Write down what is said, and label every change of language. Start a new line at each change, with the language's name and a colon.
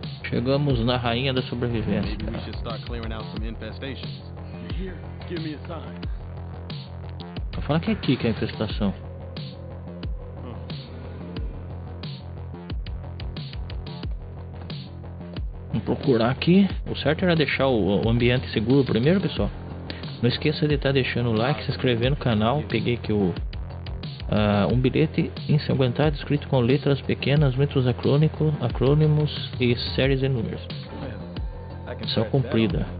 Portuguese: Chegamos na rainha da sobrevivência.
English: Maybe we should start clearing out some infestations. You're here? Give me a sign.
Portuguese: Fala que é aqui que é a infestação. Procurar aqui. O certo era deixar o ambiente seguro primeiro, pessoal. Não esqueça de estar deixando o like, se inscrever no canal. Peguei aqui um bilhete ensanguentado escrito com letras pequenas, muitos acrônimos e séries e números. Missão cumprida.